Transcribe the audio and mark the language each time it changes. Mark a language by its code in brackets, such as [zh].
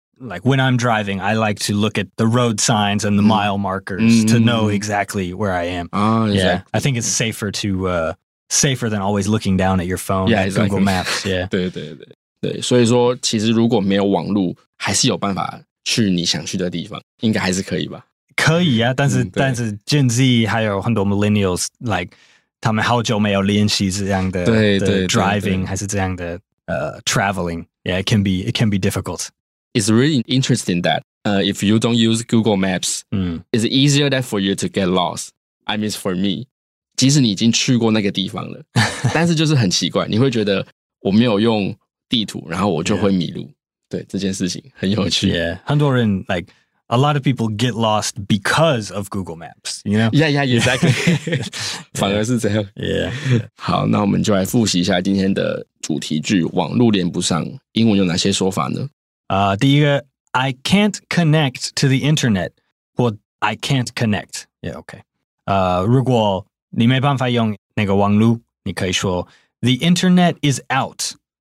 [en] Like when I'm driving, I like to look at the road signs and the mile markers to know exactly where I am. Oh, exactly. Yeah, I think it's safer than always looking down at your phone yeah, at Google、 exactly. Maps. Yeah, [zh] 对，所以说其实如果没有网路，还是有办法去你想去的地方，应该还是可以吧？可以啊，但是 Gen Z 还有很多 Millennials， like 他们好久没有练习这样的对 [en] driving [zh] 还是这样的 [en] traveling. Yeah, it can be difficult. It's really interesting that if you don't use Google Maps, it's easier that for you to get lost. I mean, for me, [zh] 即使你已经去过那个地方了，但是就是很奇怪，你会觉得我没有用地图，然后我就会迷路。Yeah. 对，这件事情很有趣。 [en] Yeah, [zh] 很多人 [en] like a lot of people get lost because of Google Maps. You know? Yeah, yeah, exactly. [zh] 反而是这样。 [en] Yeah. [zh] 好，那我们就来复习一下今天的主题句，网路连不上，英文有哪些说法呢？第一个 [en] I can't connect to the internet. 或 I can't connect. [zh] Yeah, okay. 如果你没办法用那个网路，你可以说 [en] The internet is out.